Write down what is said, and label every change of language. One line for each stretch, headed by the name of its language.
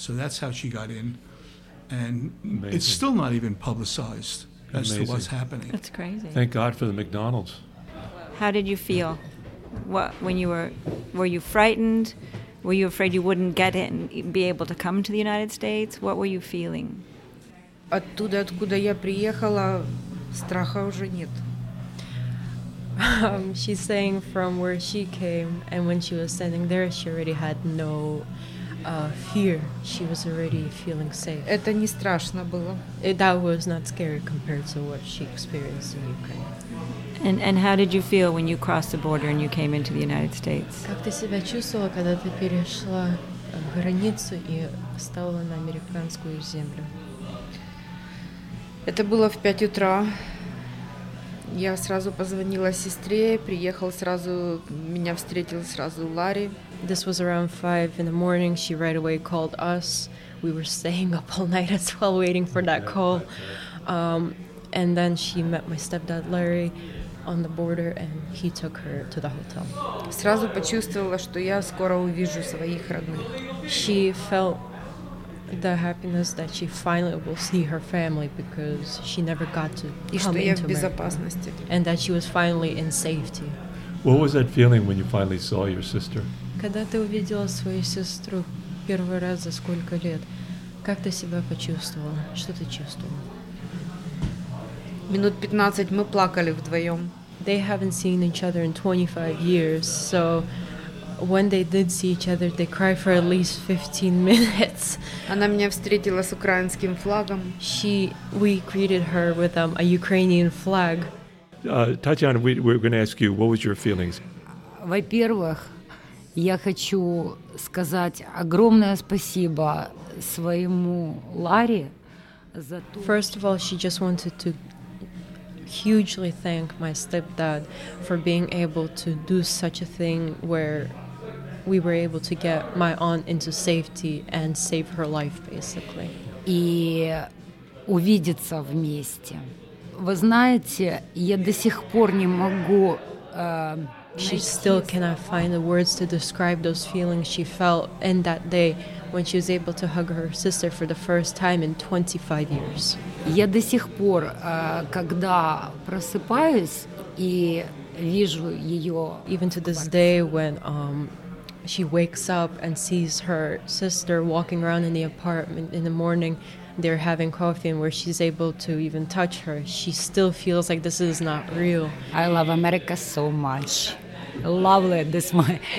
English: So that's how she got in. And amazing. It's still not even publicized as amazing. To what's happening. That's crazy. Thank God for the McDonald's. How did you feel? Were you frightened? Were you afraid you wouldn't get in, be able to come to the United States? What were you feeling?
Russian: Оттуда, откуда я приехала, страха уже нет.
English: She's saying from where she came, and when she was standing there, she already had no fear. She was already feeling safe.
Russian: Это не страшно было.
English: That was not scary compared to what she experienced in Ukraine. And how did you feel when you crossed the border and you came into the United States?
Russian: Как ты себя чувствовала, когда ты перешла границу и встала на американскую землю? Это было в 5 утра. Я сразу позвонила сестре, приехал сразу, меня встретил сразу Ларри.
English: This was around 5 in the morning. She right away called us. We were staying up all night as well waiting for that call. And then she met my stepdad Larry on the border, and he took her to the hotel.
Russian: Сразу почувствовала, что я скоро увижу своих родных.
English: She felt the happiness that she finally will see her family because she never got to come into America. And that she was finally in safety. What was that feeling when you finally saw your sister?
Russian: Когда ты увидела свою сестру первый раз за сколько лет, как ты себя почувствовала? Что ты чувствовала? Минут 15 мы плакали вдвоем.
English: They haven't seen each other in 25 years, so when they did see each other, they cried for at least 15 minutes.
Russian: Она меня встретила с украинским флагом.
English: We greeted her with a Ukrainian flag. Татьяна, we're going to ask you, what was your feelings?
Russian: Во-первых, я хочу сказать огромное спасибо своему Ларе за то.
English: First of all, she just wanted to hugely thank my stepdad for being able to do such a thing where we were able to get my aunt into safety and save her life, basically.
Russian: И увидеться вместе. Вы знаете, я до сих пор не могу.
English: She still cannot find the words to describe those feelings she felt in that day when she was able to hug her sister for the first time in 25 years.
Russian: Я до сих пор, когда просыпаюсь и вижу ее.
English: Even to this day, when she wakes up and sees her sister walking around in the apartment in the morning, they're having coffee, and where she's able to even touch her, she still feels like this is not real. I love America so much. Lovely, this my.